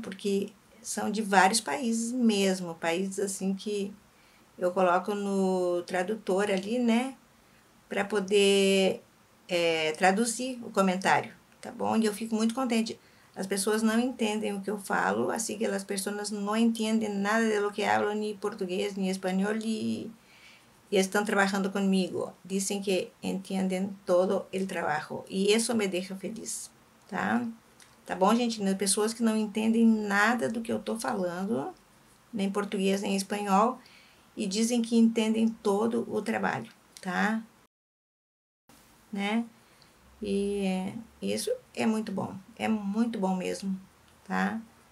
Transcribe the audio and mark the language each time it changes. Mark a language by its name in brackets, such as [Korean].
[Portuguese] Porque são de vários países mesmo, países assim que eu coloco no tradutor ali, né? Para poder traduzir o comentário, tá bom? E eu fico muito contente. As pessoas não entendem o que eu falo, assim que as pessoas não entendem nada [Spanish] de lo que hablo, ni português, ni español, y están trabajando conmigo. Dicen que entienden todo el trabajo y eso me deja feliz, ¿tá? [Portuguese] Tá bom, gente? As pessoas que não entendem nada do que eu tô falando, nem português, nem espanhol, e dizem que entendem todo o trabalho, tá? Né? E isso é muito bom mesmo, tá?